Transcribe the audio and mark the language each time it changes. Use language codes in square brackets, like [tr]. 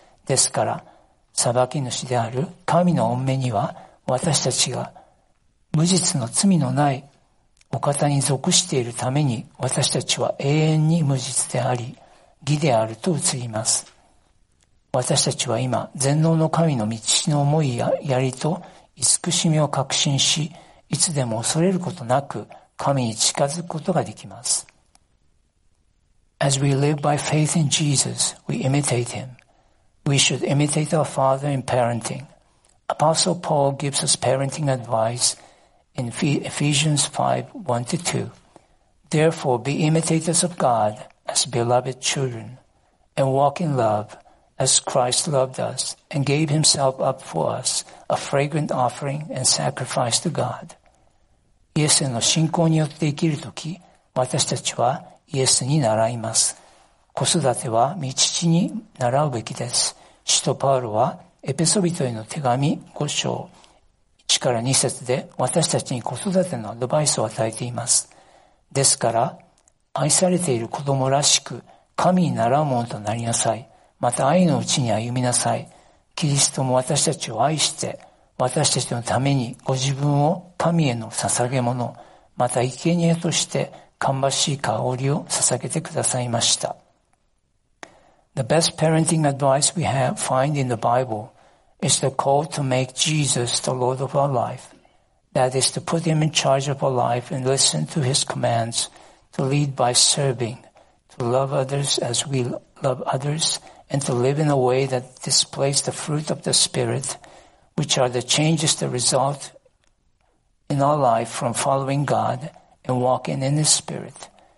[ja] ですから、裁き主である神の御目には、私たちが無実の罪のないお方に属しているために、私たちは永遠に無実であり、義であると映ります。私たちは今、全能の神の道の思いや槍と慈しみを確信し、いつでも恐れることなく、神に近づくことができます。 [en] As we live by faith in Jesus, we imitate him. We should imitate our father in parenting. Apostle Paul gives us parenting advice in Ephesians 5, 1-2. Therefore, be imitators of God as beloved children and walk in love as Christ loved us and gave himself up for us, a fragrant offering and sacrifice to God. [ja] イエスへの信仰によって生きるとき、私たちはイエスに習います。子育ては御父に習うべきです。使徒パウロはエペソ人への手紙5章1から2節で私たちに子育てのアドバイスを与えています。ですから、愛されている子供らしく神に習うものとなりなさい。また愛のうちに歩みなさい。キリストも私たちを愛して、私たちのためにご自分を神への捧げ物、また生贄として芳しい香りを捧げてくださいました。 [en] The best parenting advice we have find in the Bible is the call to make Jesus the Lord of our life. That is to put him in charge of our life and listen to his commands to lead by serving, to love others as we love others, and to live in a way that displays the fruit of the Spirit, which are the changes that result in our life from following God and walking in His Spirit.